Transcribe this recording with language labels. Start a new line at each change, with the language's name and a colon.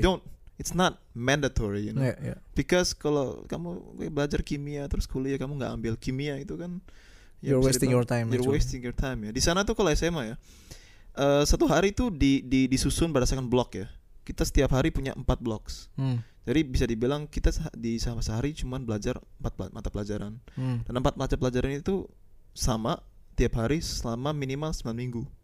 English: You don't, it's not mandatory, you know. Yeah, yeah.
Indonesian: Because kalau kamu belajar kimia terus kuliah kamu nggak ambil kimia itu kan,
English: you're wasting your time. You're actually wasting your time
Indonesian: ya. Di sana tuh kalau SMA ya, satu hari tuh di disusun berdasarkan blok ya. Kita setiap hari punya 4 blok. Jadi bisa dibilang kita di sehari cuma belajar 4 mata pelajaran. Dan 4 mata pelajaran itu sama tiap hari selama minimal 9 minggu.